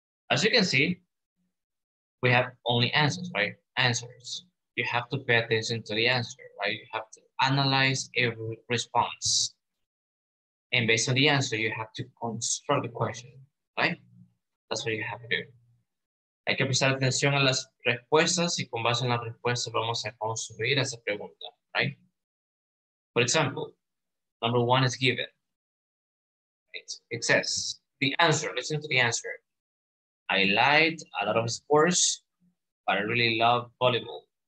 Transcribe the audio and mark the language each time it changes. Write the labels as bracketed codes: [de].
[en] As you can see, we have only answers, right? Answers. You have to pay attention to the answer, right? You have to analyze every response. And based on the answer, you have to construct the question, right? That's what you have to do. [es] Hay que prestar atención a las respuestas y con base en las respuestas vamos a construir esa pregunta, right? [en] For example, number one is given. Right? It says, the answer, listen to the answer. I liked a lot of sports, but I really love volleyball.